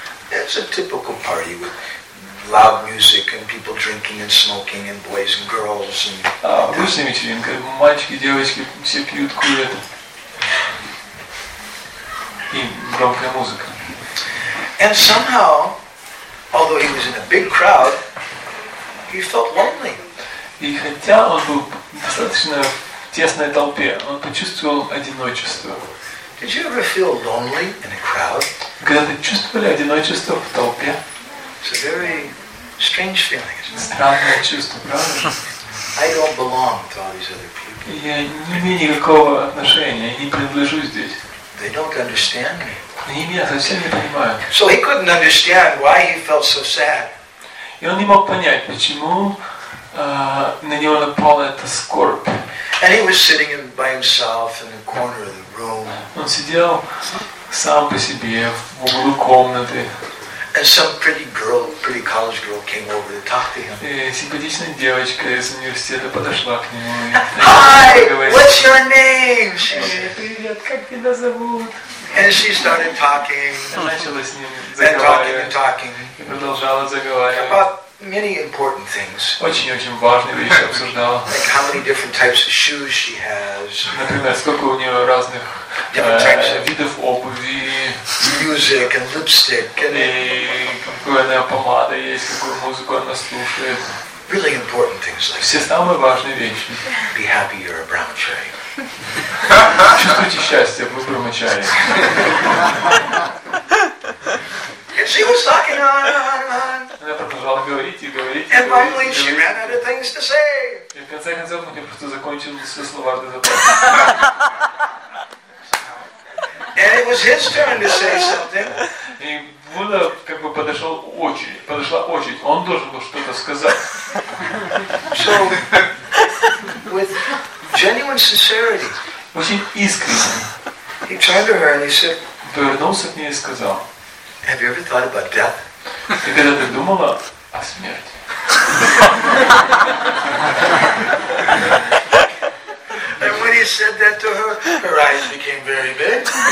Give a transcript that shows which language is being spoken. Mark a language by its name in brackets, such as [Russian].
[English] It's a typical party with loud music and people drinking and smoking and boys and girls and. [Russian] Обычная вечеринка, мальчики, девочки, все пьют, курят и громкая музыка. [English] And somehow, although he was in a big crowd, he felt lonely. [Russian] И хотя он был достаточно в тесной толпе, он почувствовал одиночество. [English] Did you ever feel lonely in a crowd? [Russian] Когда вы чувствовали одиночество в толпе? [English] It's a very strange feeling, isn't it? [Russian] Странное чувство, правда? [English] I don't belong to all these other people. [Russian] Я не имею никакого отношения, я не принадлежу здесь. [English] They don't understand me. [Russian] Они меня совсем не понимают. [English] So he couldn't understand why he felt so sad. [Russian] И он не мог понять, почему на него напала эта скорбь. [English] And he was sitting by himself in the corner of the room. [Russian] Он сидел сам по себе в углу комнаты. [English] And some pretty college girl came over to talk to him. [Russian] И симпатичная девочка из университета подошла к нему. [English] Hi, what's your name? She said, [Russian] "Как тебя зовут?" [English] And she started talking. [Russian] Начала с ним [English] talking. [Russian] И продолжала заговаривать. [English] About many important things. [Russian] Очень-очень важные вещи обсуждала. [English] Like how many different types of shoes she has. [Russian] Например, сколько у нее разных видов обуви. [English] Music and lipstick. [Russian] И какая помада есть, какую музыку она слушает. [English] Really important things. [Russian] Все самые важные вещи. [English] Be happy you're a brahmachari. [Russian] Чувствуйте счастье, вы промочали. [English] And she was talking on and on. [Russian] Она продолжала говорить и говорить. [English] And finally she ran out of things to say. [Russian] И в конце концов у нее просто закончились все слова для запроса. [English] And it was his turn to say something. [Russian] И Будда как бы подошла очередь. Он должен был что-то сказать. [English] So with genuine sincerity. [Russian] Очень искренне. [English] He turned to her and he said. [Russian] Повернулся к ней и сказал. [English] Have you ever thought about death? [Russian] Ты когда-то думала о смерти? [English] And when he said that to her, her eyes became very big.